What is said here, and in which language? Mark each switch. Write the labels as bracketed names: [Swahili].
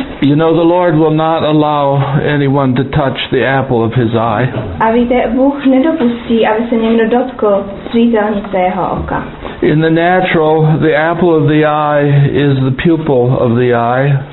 [English] You know the Lord will not allow anyone to touch the apple of his eye. [Czech] A víte, Bůh nedopustí, aby se někdo dotkl zřítelnice jeho oka. [English] In the natural, the apple of the eye is the pupil of the eye.